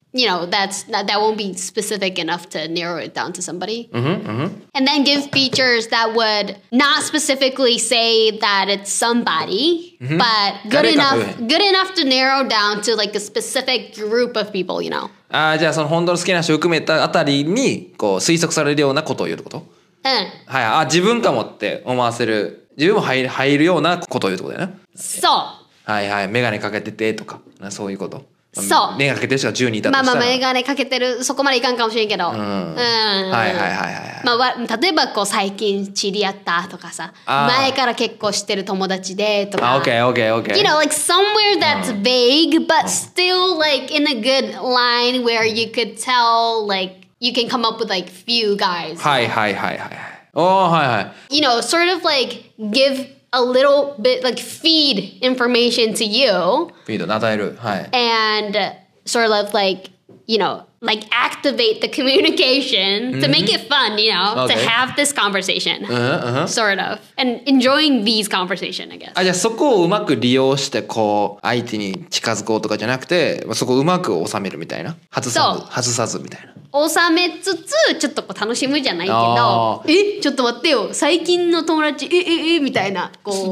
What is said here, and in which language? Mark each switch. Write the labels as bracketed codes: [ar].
[en] you know, that won't be specific enough to narrow it down to somebody. Mm-hmm, mm-hmm. And then give features that would not specifically say that it's somebody, mm-hmm. but good enough to narrow down to like a specific group of people, you know. [ja] Ah, じゃあその本当の好きな人を含めたあたりにこう推測されるようなことを言うってこと？うん。はい。あ、自分かもって思わせる。自分も入るようなことを言うってことだよね。そう。はいはい。メガネかけててとか、そういうこと。そう。メガネかけてる人が10人いたとしたら。まあまあ、メガネかけてる、そこまでいかんかもしれんけど。うん。うん、はいはいはいはい。まあ、例えば、こう、最近知り合ったとかさ。前から結構知ってる友達でとか。 [en] あ、OK, OK, OK. You know, like somewhere that's vague, but still like in a good line where you could tell, like,You can come up with like few guys. [ja] Hi, hi, hi, hi. Oh, hi, hi. [en] You know, sort of like give a little bit, like feed information to you. Feed, [ja] 与える Hi. [en] And sort of like, you know, like activate the communication to make it fun, you know,、 okay. to have this conversation. Uh-huh, uh-huh. Sort of. And enjoying these conversations, I guess. [ja] あ、じゃあそこをうまく利用してこう相手に近づこうとかじゃなくて、そこをうまく収めるみたいな。外さずみたいな。収めつつちょっとこう楽しむじゃないけどえちょっと待ってよ最近の友達ええみたいなこう